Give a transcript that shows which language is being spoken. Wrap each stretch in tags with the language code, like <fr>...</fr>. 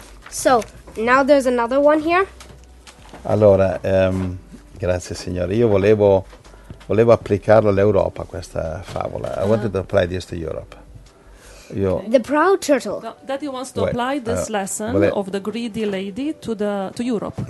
<en>So, now there's another one here.</en> <it>Allora, grazie, Signore. Io volevo applicarlo all'Europa, questa favola.</it> <en>I wanted to apply this to Europe. The proud turtle. That he wants to apply this lesson of the greedy lady to Europe.</en>